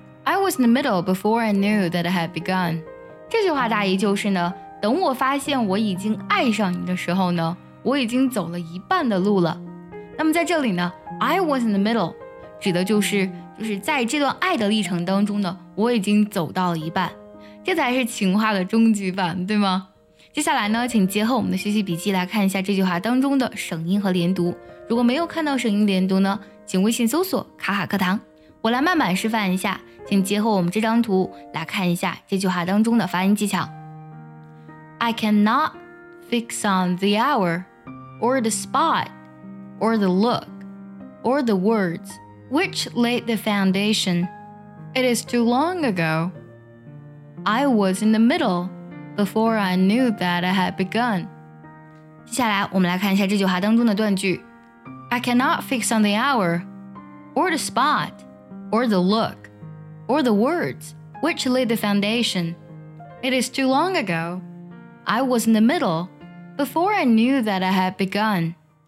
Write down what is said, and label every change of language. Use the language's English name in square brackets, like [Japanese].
[English] I was in the middle before I knew that I had begun [Chinese] 这句话大意就是呢，等我发现我已经爱上你的时候呢，我已经走了一半的路了。那么在这里呢， [English] I was in the middle [Chinese] 指的就是在这段爱的历程当中呢，我已经走到了一半，这才是情话的终极版，对吗？接下来呢，请结合我们的学习笔记来看一下这句话当中的省音和连读。如果没有看到省音连读呢，请微信搜索卡卡课堂，我来慢慢示范一下，请结合我们这张图来看一下这句话当中的发音技巧。 [English] I cannot fix on the hour or the spot or the look or the wordswhich laid the foundation? It is too long ago. I was in the middle before I knew that I had begun. [Chinese] 接下来我们来看一下这句话当中的断句。 [English] I cannot fix on the hour, or the spot, or the look, or the words which laid the foundation. It is too long ago. I was in the middle before I knew that I had begun.